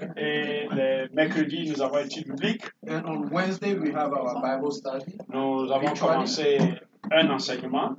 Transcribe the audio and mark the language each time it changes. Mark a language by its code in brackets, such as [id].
[fr] Et le mercredi, nous avons étudié public. [en] And on Wednesday, we have our Bible study. [fr] Nous avons commencé un enseignement.